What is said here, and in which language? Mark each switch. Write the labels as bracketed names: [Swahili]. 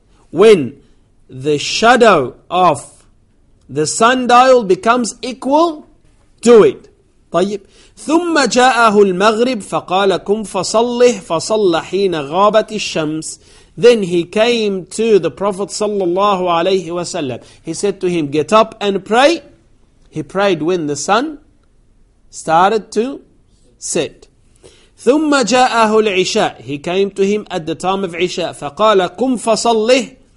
[English] When the shadow of the sundial becomes equal to it. [Arabic] طيب. ثم جاءه المغرب فقال كم فصله فصلى حين غابت الشمس. [English] Then he came to the Prophet sallallahu alayhi wasallam. He said to him, get up and pray. He prayed when the sun started to set. [Arabic] ثم جاءه العشاء. [English] He came to him at the time of عشاء. [Arabic] فقال قم فصله.